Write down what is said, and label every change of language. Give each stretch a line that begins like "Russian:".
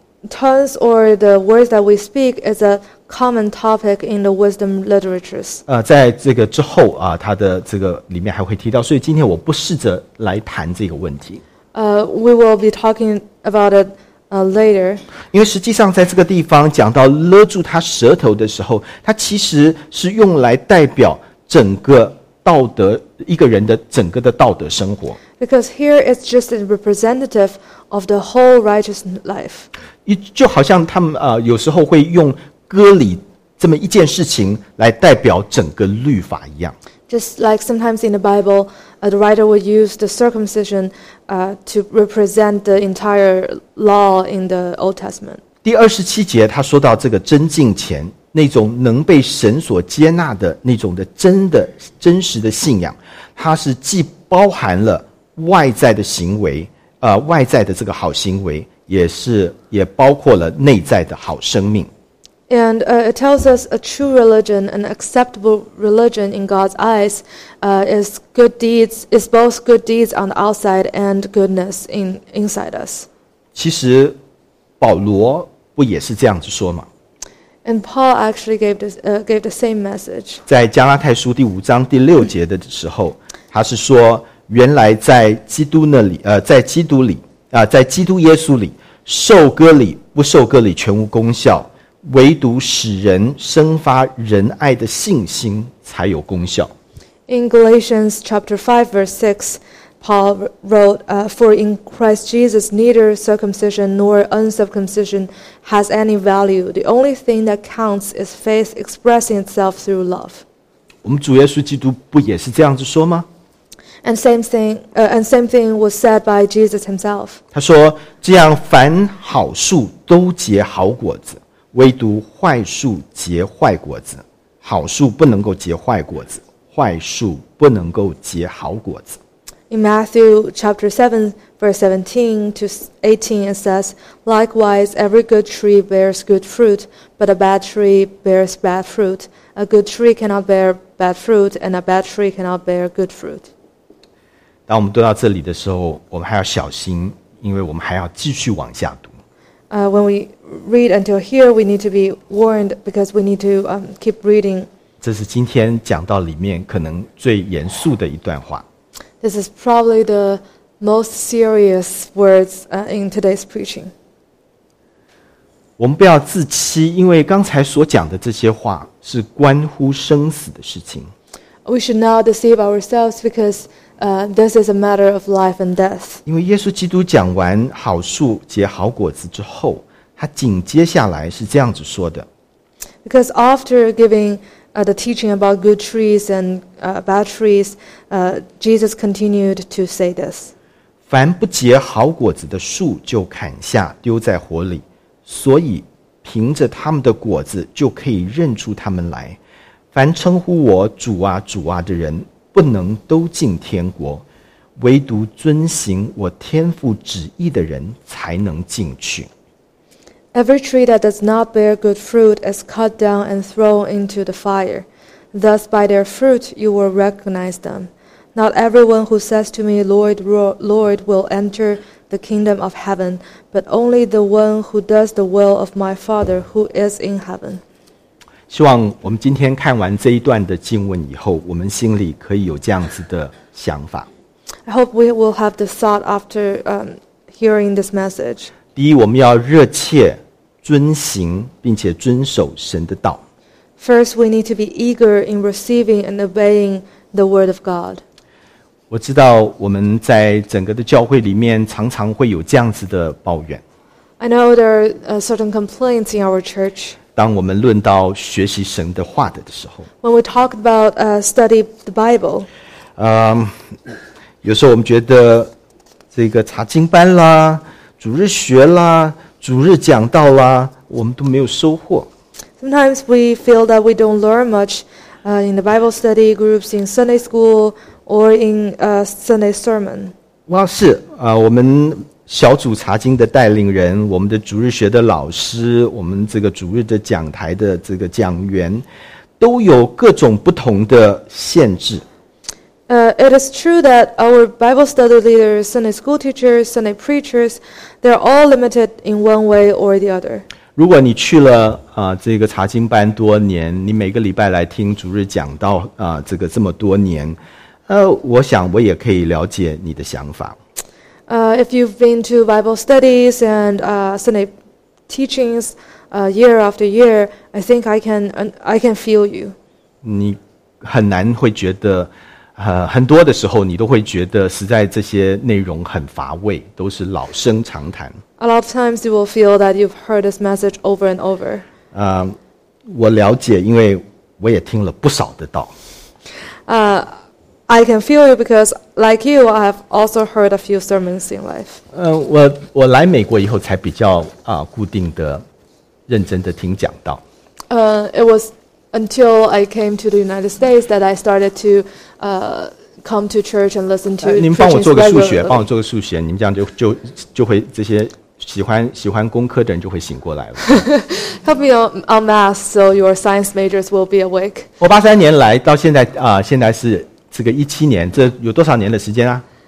English: Tongues or the words that we speak is a common topic in the wisdom literatures.
Chinese: 在这个之后啊，它的这个里面还会提到，所以今天我不试着来谈这个问题。
English: We will be talking about it later.
Chinese: 因为实际上在这个地方讲到勒住他舌头的时候，它其实是用来代表整个道德，一个人的整个的道德生活。
English: Because here it's just a representative of the whole righteous life.
Chinese: 就好像他们有时候会用割礼这么一件事情来代表整个律法一样。
English: Just like sometimes in the Bible, the writer would use the circumcision to represent the entire law in the Old Testament.
Chinese: 第二十七节他说到这个真敬虔，那种能被神所接纳的那种的真的真实的信仰，它是既包含了外在的行为，外在的这个好行为，也包括了内在的好生命。
English: And it tells us a true religion, an acceptable religion in God's eyes, is good deeds, is both good deeds on the outside and goodness inside us.
Chinese: 其实保罗不也是这样子说吗？
English: And Paul actually gave the same message.
Chinese: 在加拉太书第五章第六节的时候，他是说，原来在基督那里，在基督里，在基督耶稣里，受割礼不受割礼全无功效，唯独使人生发仁爱的信心才有功效。
English: In Galatians chapter 5 verse 6, Paul wrote, "For in Christ Jesus neither circumcision nor uncircumcision has any value. The only thing that counts is faith expressing itself through love."
Chinese: 我们主耶稣基督不也是这样子说吗？
English: And same thing was said by Jesus himself.
Chinese: 他说，这样凡好树都结好果子，唯独坏树结坏果子。好树不能够结坏果子，坏树不能够结好果子。
English: In Matthew chapter 7, verse 17 to 18, it says, "Likewise, every good tree bears good fruit, but a bad tree bears bad fruit. A good tree cannot bear bad fruit, and a bad tree cannot bear good fruit."
Chinese: 当我们读到这里的时候，我们还要小心，因为我们还要继续往下读。
English: When we read until here, we need to be warned because we need to keep reading.
Chinese: 这是今天讲到里面可能最严肃的一段话。
English: This is probably the most serious words in today's preaching.
Chinese: 我们不要自欺，因为刚才所讲的这些话是关乎生死的事情。
English: We should not deceive ourselves because this is a matter of life and death.
Chinese: 因为耶稣基督讲完好树结好果子之后，他紧接下来是这样子说的。
English: Because after giving the teaching about good trees and bad trees, Jesus continued to say this.
Chinese: 凡不结好果子的树就砍下丢在火里，所以凭着他们的果子就可以认出他们来。凡称呼我主啊主啊的人，不能都进天国，唯独遵行我天父旨意的人才能进去。
English: Every tree that does not bear good fruit is cut down and thrown into the fire. Thus, by their fruit, you will recognize them. Not everyone who says to me, Lord, Lord, will enter the kingdom of heaven, but only the one who does the will of my Father who is in heaven.
Chinese: 希望我们今天看完这一段的经文以后，我们心里可以有这样子的想法。
English: I hope we will have the thought after hearing this message.
Chinese: 第一，我们要热切遵行并且遵守神的道。
English: First, we need to be eager in receiving and obeying the word of God.
Chinese: 我知道我们在整个的教会里面常常会有这样子的抱怨。
English: I know there are certain complaints in our church.
Chinese: 当我们论到学习神的话的时候。
English: When we talk about study the Bible.
Chinese: 有时候我们觉得这个查经班啦，主日学啦，主日讲道啦，我们都没有收获。
English: Sometimes we feel that we don't learn much in the Bible study groups, in Sunday school, or in a Sunday sermon.
Chinese: Well, 是啊，我们小组查经的带领人，我们的主日学的老师，我们这个主日的讲台的这个讲员，都有各种不同的限制。
English: It is true that our Bible study leaders, Sunday school teachers, Sunday preachers, they're all limited in one way or the other.
Chinese: 如果你去了这个查经班多年，你每个礼拜来听主日讲到这个这么多年，我想我也可以了解你的想法。 If you've been to Bible studies and Sunday teachings year after year, I think I can feel you. 你很难会觉得。很多的时候你都会觉得实在这些内容很乏味，都是老生常谈。
English: A lot of times you will feel that you've heard this message over and over.
Chinese: 我了解，因为我也听了不少的道。
English: I can feel you because like you, I have also heard a few sermons in life.
Chinese: 我来美国以后才比较固定的认真的听讲道。
English: It was until I came to the United States that I started to come to church and listen to.
Chinese: 您帮我做个数学，帮我做个数学，您这样就会这些喜欢工科的人就会醒过来了。
English: Help me on math, so your science majors will be awake.
Chinese: 我八三年来到现在现在是这个2017年，这有多少年的时间啊